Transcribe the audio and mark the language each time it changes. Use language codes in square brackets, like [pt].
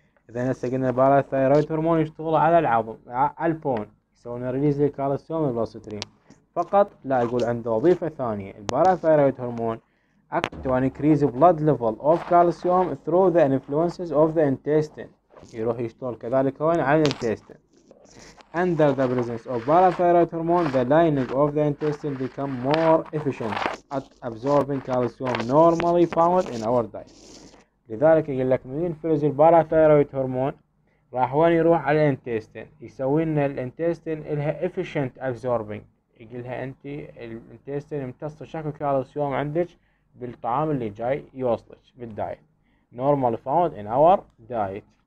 [ar] إذا هسه قلنا الباراثيرويد هرمون يشتغل على العظم على البون يسوون ريليز للكالسيوم البلاستريم فقط لا يقول عنده وظيفة ثانية. [en] الباراثيرويد hormone act to increase blood level of calcium through the influences of the intestine. [ar] يروح يشتغل كذلك وين على الانتستين. [en] Under the presence of parathyroid hormone the lining of the intestine become more efficient at absorbing calcium normally found in our diet. [ar] لذلك يقول لك من ينفرز الباراثيرويد هرمون راح وين يروح على الانتستين يسوي لنا الانتستين لها efficient absorbing. يقول لها انت الانتستين يمتص شكل كالسيوم عندك بالطعام اللي جاي يوصلك بالدايت [en] normal found in our diet.